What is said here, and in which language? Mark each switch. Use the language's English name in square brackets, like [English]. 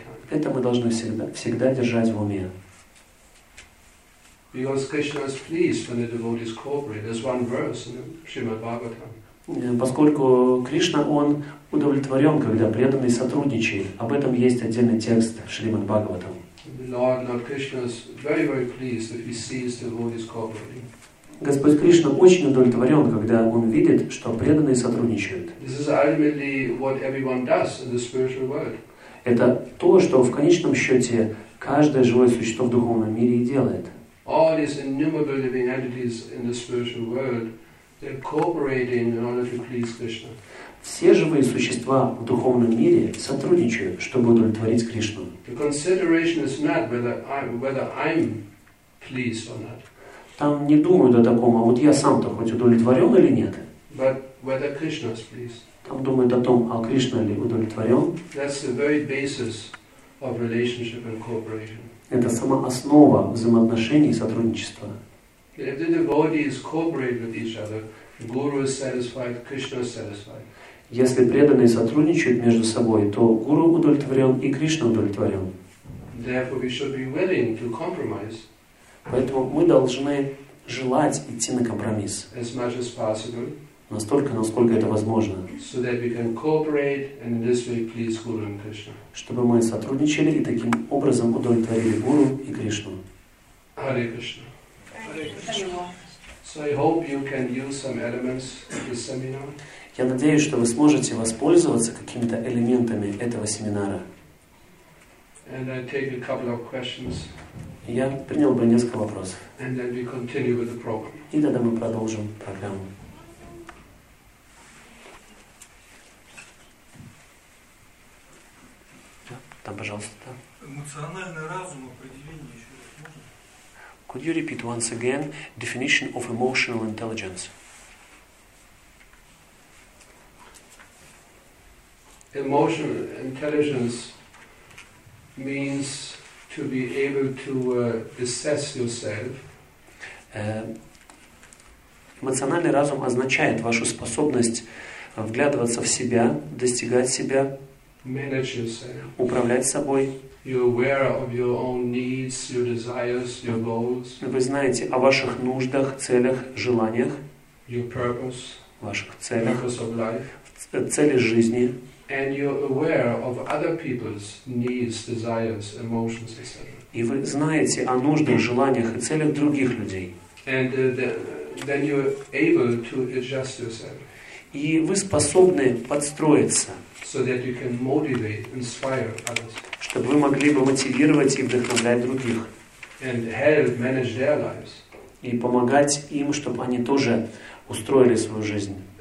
[Russian] Это мы должны всегда держать в уме. [English] Because Krishna is pleased when the devotees cooperate. There's one verse in Srimad Bhagavatam. [Russian] Поскольку Кришна, он удовлетворен, когда преданный сотрудничает. Об этом есть отдельный текст в Шримад Бхагаватам. [English] Lord Krishna is very, very pleased if he sees the devotees cooperating. [Russian] Господь Кришна очень удовлетворен, когда он видит, что преданные сотрудничают. [English] This is ultimately what everyone does in the spiritual world. [Russian] Это то, что в конечном счете каждое живое существо в духовном мире и делает. [English] All these innumerable living entities in the spiritual world, they're cooperating in order to please Krishna. [Russian] Все живые существа в духовном мире сотрудничают, чтобы удовлетворить Кришну. [English] The consideration is not whether I'm pleased or not. [Russian] Там не думают о таком, а вот я сам-то хоть удовлетворен или нет. [English] But whether Krishna is pleased. [Russian] Там думают о том, а Кришна ли удовлетворен. [English] That's the very basis of relationship and cooperation. [Russian] Это сама основа взаимоотношений и сотрудничества. [English] If the devotees cooperate with each other, Guru is satisfied, Krishna is satisfied. [Russian] Если преданные сотрудничают между собой, то гуру удовлетворен и Кришна удовлетворен. [English] Therefore, we should be willing to compromise. [Russian] Поэтому мы должны желать идти на компромисс. [English] As much as possible. [Russian] Настолько, насколько это возможно. [English] So that we can cooperate and in this way please Guru and Krishna. [Russian] Чтобы мы сотрудничали и таким образом удовлетворили гуру и Кришну. [English] Hare Krishna. Hare Krishna. So I hope you can use some elements of this seminar. [Russian] Я надеюсь, что вы сможете воспользоваться какими-то элементами этого семинара. [English] And I take a couple of questions. [Russian] Я принял бы несколько вопросов. [English] And then we continue with the program. [Russian] И тогда мы продолжим программу. Там, пожалуйста, там. Эмоциональный разум, определение еще раз можно? [English] Could you repeat once again definition of emotional intelligence? Emotional intelligence means to be able to assess yourself. [Russian] Эмоциональный разум означает вашу способность вглядываться в себя, достигать себя, [English] manage yourself, [Russian] управлять собой. [English] You're aware of your own needs, your desires, your goals. [Russian] Вы знаете о ваших нуждах, целях, желаниях, [English] your purpose, [Russian] ваших целях, [English] purpose of life, [Russian] цели жизни. [English] And you're aware of other people's needs, desires, emotions, etc. [Russian] И вы знаете о нуждах, желаниях и целях других людей. [English] And then you're able to adjust yourself. [Russian] И вы способны подстроиться, [English] so that you can motivate, inspire others. [Russian] Чтобы вы могли бы мотивировать и вдохновлять других. [English] And help manage their lives. [Russian] И помогать им, чтобы они тоже устроили свою жизнь.